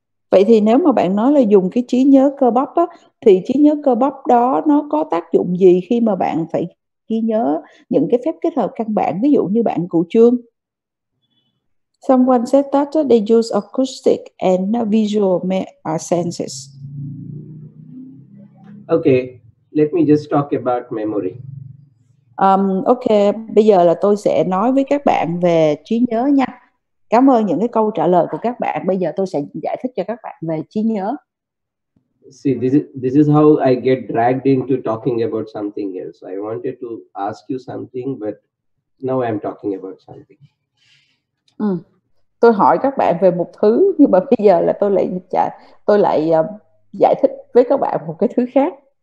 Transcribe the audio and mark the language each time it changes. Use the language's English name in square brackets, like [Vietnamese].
[Vietnamese] Vậy thì nếu mà bạn nói là dùng cái trí nhớ cơ bắp á, thì trí nhớ cơ bắp đó nó có tác dụng gì khi mà bạn phải ghi nhớ những cái phép kết hợp căn bản, ví dụ như bạn cụ trương. [English] Someone said that they use acoustic and visual senses. Okay, let me just talk about memory. [Vietnamese] Okay, bây giờ là tôi sẽ nói với các bạn về trí nhớ nha. Cảm ơn những cái câu trả lời của các bạn. Bây giờ tôi sẽ giải thích cho các bạn về trí nhớ. [English] See, this is how I get dragged into talking about something else. I wanted to ask you something, but now I'm talking about something. [Vietnamese] Tôi hỏi các bạn về một thứ, nhưng mà bây giờ là tôi lại giải thích với các bạn một cái thứ khác.